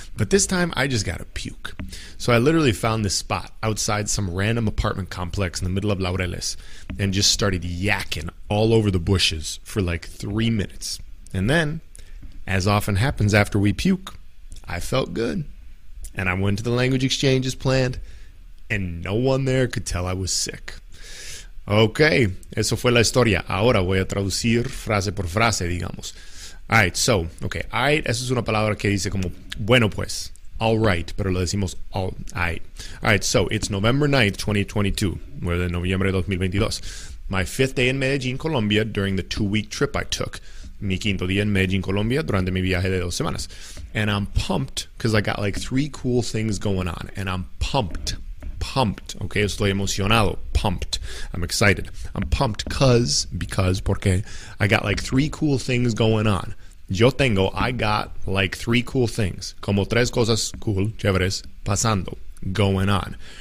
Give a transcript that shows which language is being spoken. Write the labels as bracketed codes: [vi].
[en] But this time, I just gotta puke. So I literally found this spot outside some random apartment complex in the middle of Laureles and just started yakking all over the bushes for like 3 minutes. And then, as often happens after we puke, I felt good. And I went to the language exchange as planned, and no one there could tell I was sick. [es] Ok, eso fue la historia. Ahora voy a traducir frase por frase, digamos. [en] Alright, so, ok. [es] Alright, eso es una palabra que dice como, bueno pues, alright, pero lo decimos all, alright. [en] Alright, so, it's November 9th, 2022. We're in November 2022. My fifth day in Medellin, Colombia, during the 2-week trip I took. [es] Mi quinto día en Medellin, Colombia, durante mi viaje de 2 semanas. [en] And I'm pumped, because I got like 3 cool things going on. And I'm pumped. Pumped, okay, [es] estoy emocionado, [en] pumped, I'm excited, I'm pumped because, porque, I got like 3 cool things going on, [es] yo tengo, [en] I got like 3 cool things, [es] como 3 cosas cool, chéveres, pasando, [en] going on.